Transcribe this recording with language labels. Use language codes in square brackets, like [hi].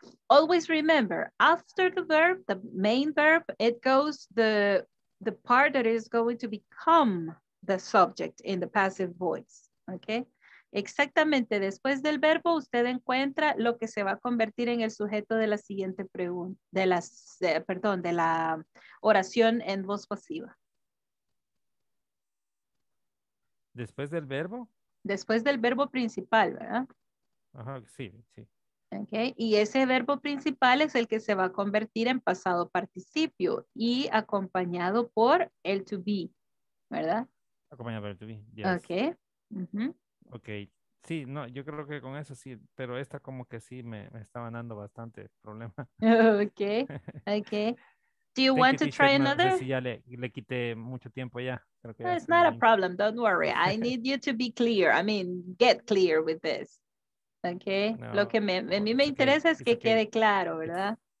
[en] Always remember, after the verb, the main verb, it goes the part that is going to become the subject in the passive voice. Okay. [es] Exactamente después del verbo, usted encuentra lo que se va a convertir en el sujeto de la siguiente pregunta, de la oración en voz pasiva. ¿Después del verbo? Después del verbo principal, ¿verdad? Ajá, sí. [en] Okay. [es] Y ese verbo principal es el que se va a convertir en pasado participio y acompañado por el to be, ¿verdad? Acompañado por el to be, yes. [en] Ok. Uh-huh. [es] Ok, sí, no, yo creo que con eso sí, pero esta como que sí me estaba dando bastante problema. [en] Ok. Do you want to try another? [es] No sé si ya le quité mucho tiempo ya. Creo que [en] no, it's not a problem, don't worry. I need you to be clear, I mean, get clear with this. Okay. [es] No, lo que a mí me interesa es que quede claro, ¿verdad?